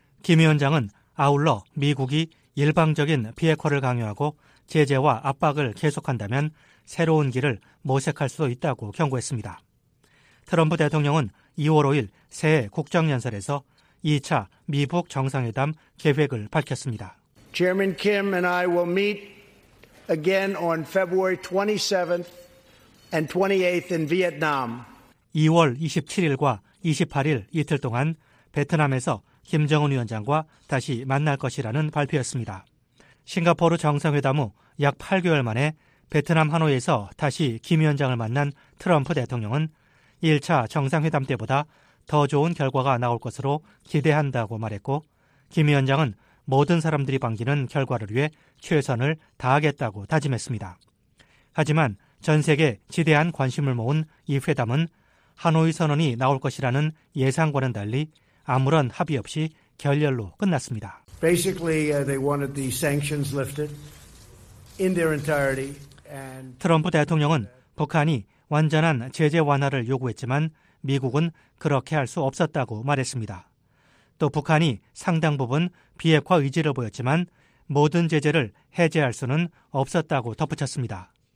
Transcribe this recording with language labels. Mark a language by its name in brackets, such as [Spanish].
[Korean] 김 위원장은 아울러 미국이 일방적인 비핵화를 강요하고 제재와 압박을 계속한다면 새로운 길을 모색할 수도 있다고 경고했습니다. 트럼프 대통령은 2월 5일 새해 국정연설에서 2차 미북 정상회담 계획을 밝혔습니다. [English] Chairman Kim and I will meet again on February 27th and 28th in Vietnam. [Korean] 2월 27일과 28일 이틀 동안 베트남에서 김정은 위원장과 다시 만날 것이라는 발표였습니다. 싱가포르 정상회담 후 약 8개월 만에 베트남 하노이에서 다시 김 위원장을 만난 트럼프 대통령은 1차 정상회담 때보다 더 좋은 결과가 나올 것으로 기대한다고 말했고 김 위원장은 모든 사람들이 반기는 결과를 위해 최선을 다하겠다고 다짐했습니다. 하지만 전 세계 지대한 관심을 모은 이 회담은 하노이 선언이 나올 것이라는 예상과는 달리 아무런 합의 없이 결렬로 끝났습니다. [English] Basically, they wanted the sanctions lifted in their entirety. [Korean] 트럼프 대통령은 북한이 완전한 제재 완화를 요구했지만 미국은 그렇게 할 수 없었다고 말했습니다. 또 북한이 상당 부분 비핵화 의지를 보였지만 모든 제재를 해제할 수는 없었다고 덧붙였습니다.